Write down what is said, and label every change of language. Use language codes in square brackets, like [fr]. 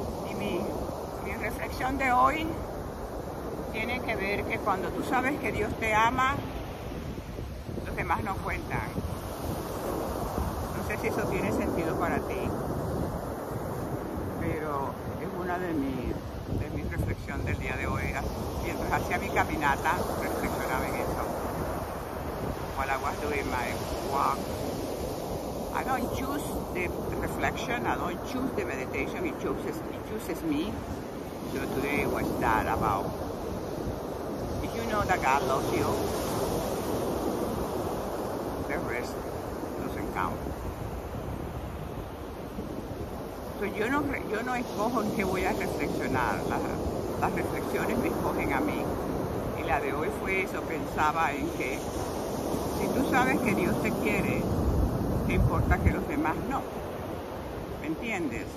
[es] Y mi reflexión de hoy tiene que ver que cuando tú sabes que Dios te ama, los demás no cuentan. No sé si eso tiene sentido para ti, pero es una de mi reflexión del día de hoy. Mientras hacía mi caminata, reflexionaba en eso. [en] While I was doing my walk, I don't choose the reflection, I don't choose the meditation, it chooses me. So today was that about, if you know that God loves you, the rest doesn't count. [es] So yo no escojo en qué voy a reflexionar, las reflexiones me escogen a mí. Y la de hoy fue eso, pensaba en que si tú sabes que Dios te quiere, te importa que los demás no. ¿Me entiendes?